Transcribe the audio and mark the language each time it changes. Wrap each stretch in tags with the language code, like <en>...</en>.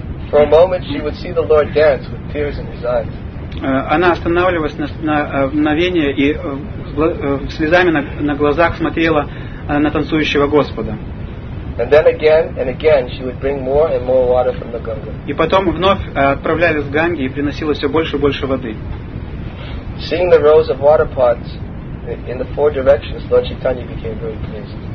<en>For a moment she would see the Lord dance with tears in his eyes.</en> <ru>Она останавливалась на мгновение и слезами на глазах смотрела на танцующего Господа.</ru> <en>And then again and again she would bring more and more water from the Ganga.</en> <ru>И потом вновь отправляли в Ганги и приносила все больше и больше воды.</ru> <en>Seeing the rows of water pots in the four directions, Lord Chaitanya became very pleased.</en>